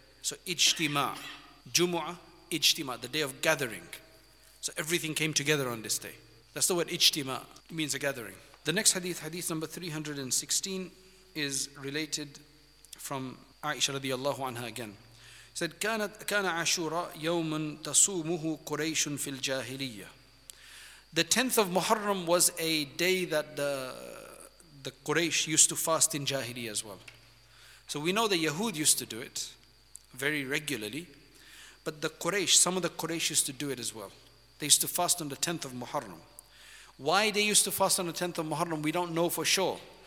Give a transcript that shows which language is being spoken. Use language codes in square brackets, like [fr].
[en] So ijtima', Jumu'ah, ijtima', the day of gathering. So everything came together on this day. That's the word ijtima', means a gathering. The next hadith, hadith number 316, is related from Aisha radiallahu anha again. [ar] Said, كان عشورا يوما تصومه قريش في الجاهلية. [en] The 10th of Muharram was a day that the Quraysh used to fast in Jahiliyyah as well. So we know the Yahud used to do it very regularly, but the Quraysh, some of the Quraysh used to do it as well. They used to fast on the 10th of Muharram. Why they used to fast on the 10th of Muharram, we don't know for sure.